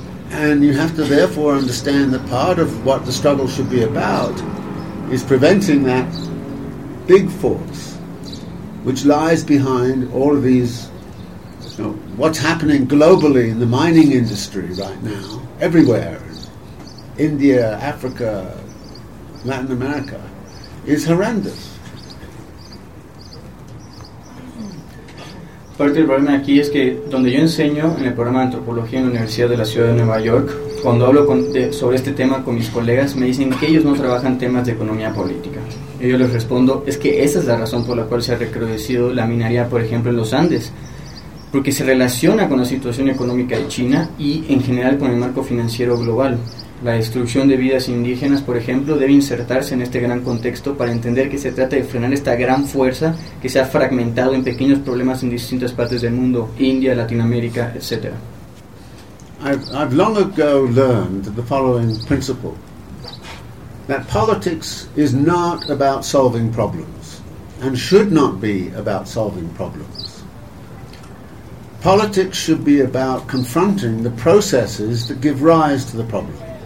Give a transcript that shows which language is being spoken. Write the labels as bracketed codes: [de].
[en] And you have to therefore understand that part of what the struggle should be about is preventing that big force which lies behind all of these, you know, what's happening globally in the mining industry right now, everywhere, in India, Africa, Latin America, is horrendous. [es] Parte del problema aquí es que donde yo enseño en el programa de antropología en la Universidad de la Ciudad de Nueva York, cuando hablo sobre este tema con mis colegas, me dicen que ellos no trabajan temas de economía política. Y yo les respondo, es que esa es la razón por la cual se ha recrudecido la minería, por ejemplo, en los Andes, porque se relaciona con la situación económica de China y en general con el marco financiero global. La destrucción de vidas indígenas, por ejemplo, debe insertarse en este gran contexto para entender que se trata de frenar esta gran fuerza que se ha fragmentado en pequeños problemas en distintas partes del mundo, India, Latinoamérica, etc. [en] I've long ago learned the following principle, that politics is not about solving problems and should not be about solving problems. Politics should be about confronting the processes that give rise to the problem.